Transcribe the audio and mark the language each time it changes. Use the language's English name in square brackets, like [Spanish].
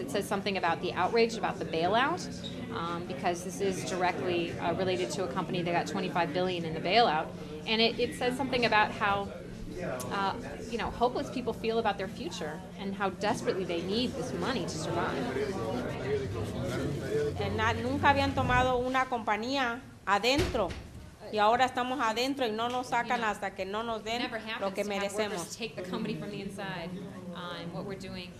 [English] It says something about the outrage about the bailout, because this is directly related to a company that got $25 billion in the bailout. And it says something about how you know, hopeless people feel about their future and how desperately they need this money to survive. [Spanish] Nunca habían tomado una compañía adentro. Y ahora estamos adentro y no nos sacan hasta que no nos den lo que merecemos. [English] Take the company from the inside, and what we're doing.